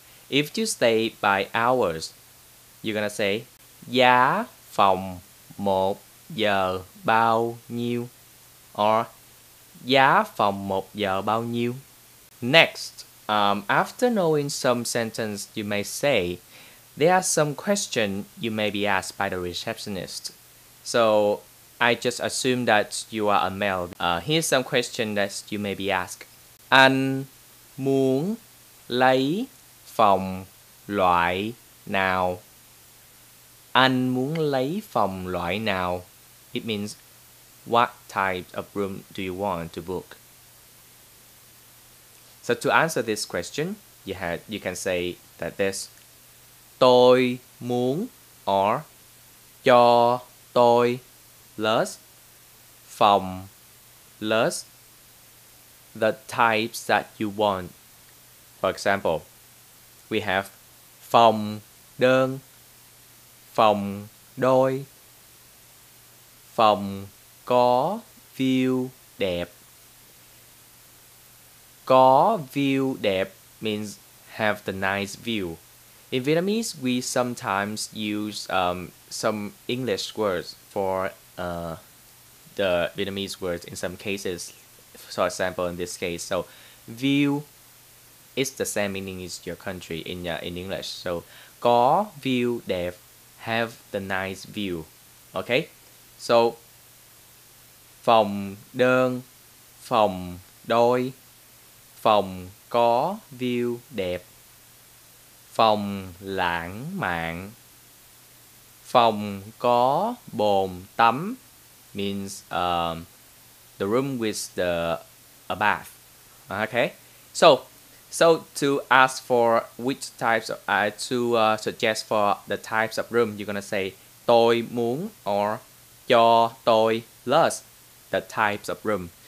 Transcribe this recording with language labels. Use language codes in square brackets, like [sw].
[en] If you stay by hours, you're gonna say [vi] giá phòng một giờ bao nhiêu [en] or giá phòng một giờ bao nhiêu. Next, after knowing some sentence you may say, there are some questions you may be asked by the receptionist. So I just assume that you are a male. Here's some question that you may be asked. [vi] Anh muốn lấy phòng loại nào? Anh muốn lấy phòng loại nào? [en] It means, what type of room do you want to book? So to answer this question, you can say that this. [vi] Tôi muốn or cho tôi. [en] Plus, phòng, plus, the types that you want. For example, we have [vi] phòng đơn, phòng đôi, phòng có view đẹp. Có view đẹp [en] means have the nice view. In Vietnamese, we sometimes use some English words for the Vietnamese words in some cases, for example in this case. So view is the same meaning as your country in English. So [vi] có view đẹp, [en] have the nice view. Okay, so [vi] phòng đơn, phòng đôi, phòng có view đẹp, phòng lãng mạn, phòng có bồn tắm, [en] means the room with a bath. Okay, so to ask for which types of, suggest for the types of room, you're gonna say [vi] tôi muốn [en] or [vi] cho tôi [en] plus the types of room.